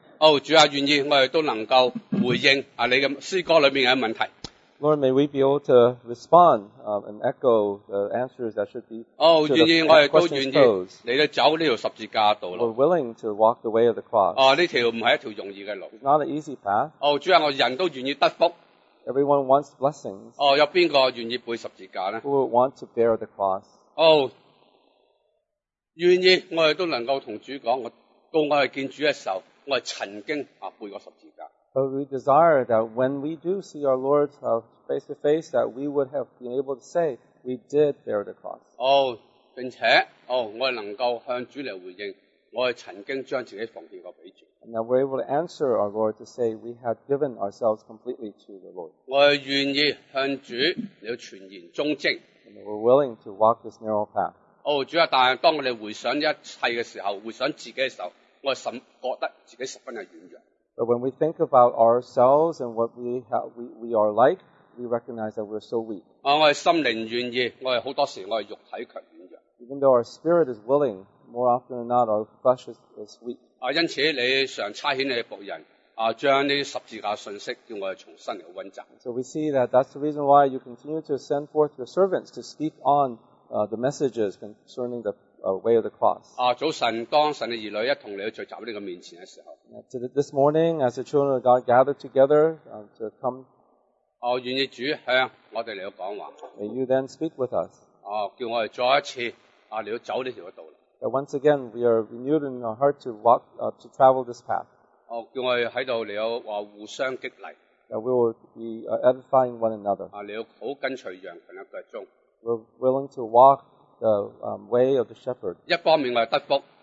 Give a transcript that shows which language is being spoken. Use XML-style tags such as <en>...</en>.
<yue>Oh, 主啊，愿意我哋都能够回应啊你嘅诗歌里面嘅问题。</yue> <en>Lord, may we be able to respond and echo the answers that should be questions posed.</en> <yue>愿意我哋都愿意嚟到走呢条十字架道路。</yue> <en>We're willing to walk the way of the cross.</en> <yue>哦，呢条唔系一条容易嘅路。</yue> <en>It's not an easy path.</en> <yue>哦，主啊，我人都愿意得福。</yue> <en>Everyone wants blessings.</en> <yue>哦，有边个愿意背十字架咧？</yue> <en>Who would want to bear the cross?</en> <yue>哦，愿意我哋都能够同主讲我。到我去见主的时候，我系曾经啊背过十字架。</yue> <en>But we desire that when we do see our Lord face to face, that we would have been able to say we did bear the cross.</en> <yue>哦，并且哦，我系能够向主嚟回应，我系曾经将自己奉献过俾主。</yue> <en>And that we're able to answer our Lord to say we had given ourselves completely to the Lord.</en> <yue>我系愿意向主嚟全然忠贞。</yue> <en>And we're willing to walk this narrow path.</en> <yue>哦，主啊！但系当我哋回想一切嘅时候，回想自己嘅时候，我甚觉得自己十分嘅软弱。</yue> <en>But when we think about ourselves and what we are like, we recognize that we're so weak.</en> <yue>我系心灵软弱，我系好多时我系肉体强软弱。</yue> <en>even though our spirit is willing, more often than not, our flesh is weak.</en> <yue>啊，因此你常差遣你的仆人啊，将呢十字架信息叫我哋重新嚟温习。</yue> <en>So we see that that's the reason why you continue to send forth your servants to speak on the messages concerning the way of the cross.</en> <yue>啊，早晨当神的儿女一同嚟聚集喺呢个面前嘅时候。</yue> <en>So this morning, as the children of God gather together to come.</en> <yue>哦，愿意主向我哋嚟讲话。</yue> <en>May you then speak with us.</en> <yue>哦，叫我哋再一次啊嚟走呢条道路。</yue> <en>That once again we are renewed in our heart to walk to travel this path.</en> <yue>哦，叫我哋喺度嚟有话互相激励。</yue> <en>That we will be edifying one another.</en> <yue>啊，嚟好跟随羊群嘅脚踪。</yue> <en>We're willing to walk the way of the shepherd.</en> <yue>一方面我哋得福。</yue>